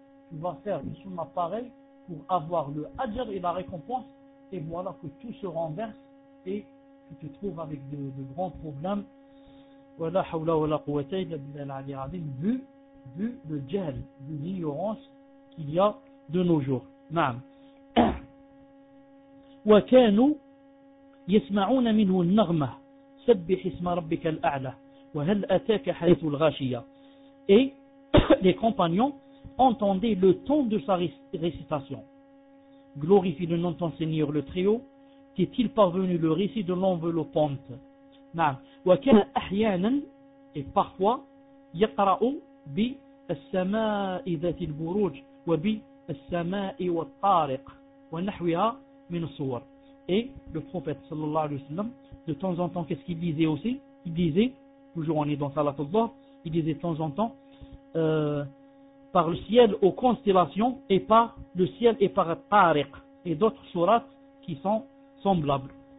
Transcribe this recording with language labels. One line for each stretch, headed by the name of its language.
French: Tu vas faire une sunnah pareille pour avoir le ajr et la récompense. Et voilà que tout se renverse et tu te trouves avec de grands problèmes. Voilà,
Arabic: hawla wa la quwwata illa billahi al-azim,
French: vu le djihl, vu l'ignorance qu'il y a de nos jours.
Arabic: Naam. وكانوا يسمعون منه النغمة سبح اسم ربك الأعلى وهل أتاك حديث الغاشية.
French: Et les compagnons entendaient le ton de sa récitation. Glorifie le nom de ton Seigneur le Très-Haut. T'est-il parvenu le récit de l'enveloppante.
Arabic: نعم. وكان أحيانا
French: et parfois
Arabic: يقرأ بالسماء ذات البروج وبالسماء والطارق ونحوها من الصور.
French: Et le prophète sallallahu alayhi wa sallam, de temps en temps, qu'est-ce qu'il disait aussi? Il disait, toujours on est dans Salatullah, il disait de temps en temps, par le ciel aux constellations et par le ciel et par Tariq et d'autres sourates qui sont semblables.